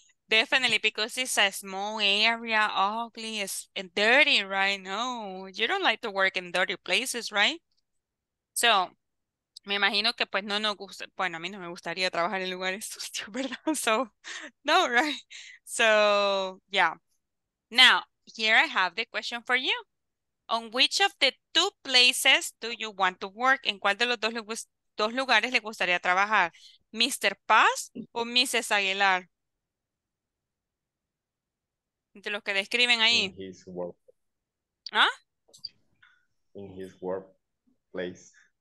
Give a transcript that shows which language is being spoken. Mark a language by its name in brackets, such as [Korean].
[English] Definitely, because it's a small area, ugly and dirty, right? No, you don't like to work in dirty places, right? So, [Spanish] me imagino que pues no nos gusta. Bueno, a mí no me gustaría trabajar en lugares sucios, ¿verdad? [English] So, no, right? So, yeah. Now, here I have the question for you. On which of the two places do you want to work? [Spanish] ¿En cuál de los dos lugares le gustaría trabajar? ¿Mr. Paz o Mrs. Aguilar? De los que describen ahí. [English] In his work. ¿Ah? In his workplace.